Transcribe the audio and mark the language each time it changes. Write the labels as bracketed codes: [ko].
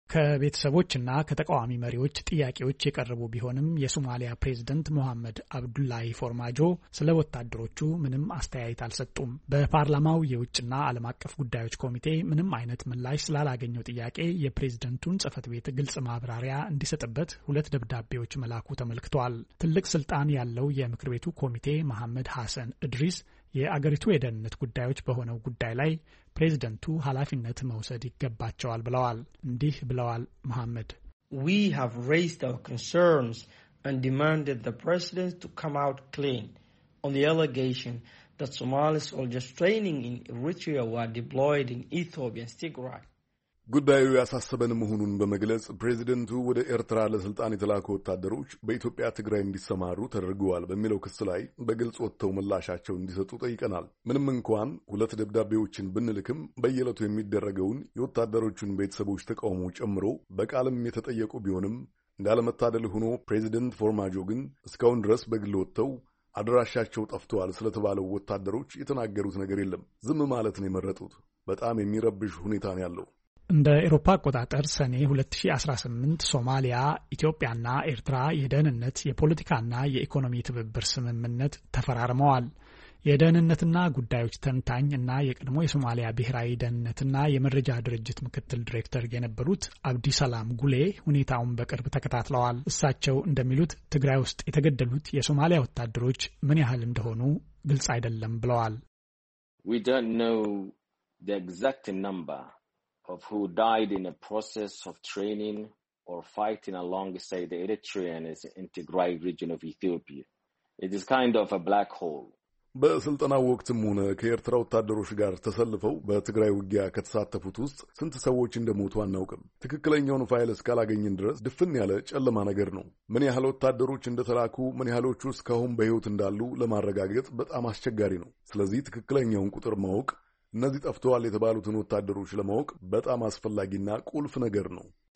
[am] ከቤተሰቦችና ከተቃዋሚ መሪዎች ጥያቄዎች የቀረቡ ቢሆንም የሶማሊያ ፕሬዝደንት መሐመድ አብዱላሂ ፎርማጆ ስለ ወታደሮቹ ምንም አስተያየት አልሰጡም። በፓርላማው የውጭና ዓለም አቀፍ ጉዳዮች ኮሚቴ ምንም አይነት ምላሽ ስላላገኘው ጥያቄ የፕሬዝደንቱን ጽህፈት ቤት ግልጽ ማብራሪያ እንዲሰጥበት ሁለት ደብዳቤዎች መላኩ ተመልክቷል። ትልቅ ስልጣን ያለው የምክር ቤቱ ኮሚቴ መሐመድ ሐሰን እድሪስ የአገሪቱ የደህንነት ጉዳዮች በሆነው ጉዳይ ላይ ፕሬዝደንቱ ኃላፊነት መውሰድ ይገባቸዋል ብለዋል። እንዲህ ብለዋል መሐመድ። [en] We have raised our concerns and demanded the president to come out clean on the allegation that Somali soldiers training in Eritrea were deployed in Ethiopia and Tigray. [am] ጉዳዩ ያሳሰበን መሆኑን በመግለጽ ፕሬዝደንቱ ወደ ኤርትራ ለስልጣን የተላኩ ወታደሮች በኢትዮጵያ ትግራይ እንዲሰማሩ ተደርገዋል በሚለው ክስ ላይ በግልጽ ወጥተው ምላሻቸው እንዲሰጡ ጠይቀናል። ምንም እንኳን ሁለት ደብዳቤዎችን ብንልክም በየለቱ የሚደረገውን የወታደሮቹን ቤተሰቦች ተቃውሞ ጨምሮ በቃልም የተጠየቁ ቢሆንም እንዳለመታደል ሆኖ ፕሬዝደንት ፎርማጆ ግን እስካሁን ድረስ በግል ወጥተው አድራሻቸው ጠፍቷል ስለተባለው ወታደሮች የተናገሩት ነገር የለም። ዝም ማለት ነው የመረጡት። በጣም የሚረብሽ ሁኔታ ነው ያለው። እንደ አውሮፓ አቆጣጠር ሰኔ 2018 ሶማሊያ፣ ኢትዮጵያና ኤርትራ የደህንነት፣ የፖለቲካና የኢኮኖሚ ትብብር ስምምነት ተፈራርመዋል። የደህንነትና ጉዳዮች ተንታኝ እና የቀድሞ የሶማሊያ ብሔራዊ ደህንነትና የመረጃ ድርጅት ምክትል ዲሬክተር የነበሩት አብዲ ሰላም ጉሌ ሁኔታውን በቅርብ ተከታትለዋል። እሳቸው እንደሚሉት ትግራይ ውስጥ የተገደሉት የሶማሊያ ወታደሮች ምን ያህል እንደሆኑ ግልጽ አይደለም ብለዋል። [en] We don't know the exact number of who died in a process of training or fighting alongside the Eritrean in Tigray region of Ethiopia. It is kind of a black hole. [am] በስልጠናው ወቅትም ሆነ ከኤርትራ ወታደሮች ጋር ተሰልፈው በትግራይ ውጊያ ከተሳተፉት ውስጥ ስንት ሰዎች እንደሞቱ አናውቅም። ትክክለኛውን ፋይል እስካላገኘን ድረስ ድፍን ያለ ጨለማ ነገር ነው። ምን ያህል ወታደሮች እንደተላኩ፣ ምን ያህሎች እስካሁን በሕይወት እንዳሉ ለማረጋገጥ በጣም አስቸጋሪ ነው። ስለዚህ ትክክለኛውን ቁጥር ማወቅ እነዚህ ጠፍተዋል የተባሉትን ወታደሮች ለማወቅ በጣም አስፈላጊና ቁልፍ ነገር ነው።